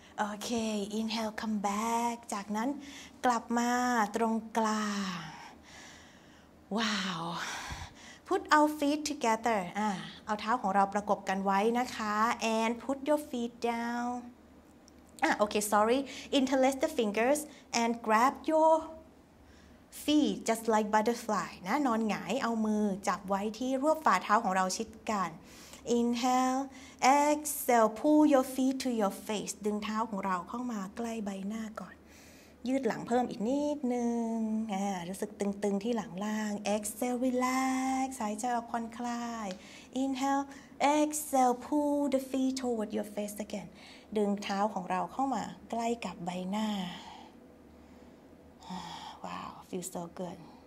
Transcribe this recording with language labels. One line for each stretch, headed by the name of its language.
English: Okay, inhale, come back.
Thai: จากนั้นกลับมาตรงกลาง Wow.
English: Put our feet together.
Thai: เอาเท้าของเราประกบกันไว้นะคะ
English: And put your feet down. Okay, sorry. Interlace the fingers and grab your feet just like butterfly.
Thai: นะนอนหงายเอามือจับไว้ที่รวบฝ่าเท้าของเราชิดกัน
English: Inhale, exhale. Pull your feet to your face.
Thai: ดึงเท้าของเราเข้ามาใกล้ใบหน้าก่อนยืดหลังเพิ่มอีกนิดนึงรู้สึกตึงๆที่หลังล่าง
English: Exhale relax
Thai: หายใจออกผ่อนคลาย
English: Inhale exhale pull the feet toward your face again
Thai: ดึงเท้าของเราเข้ามาใกล้กับใบหน้า
English: Wow feel so good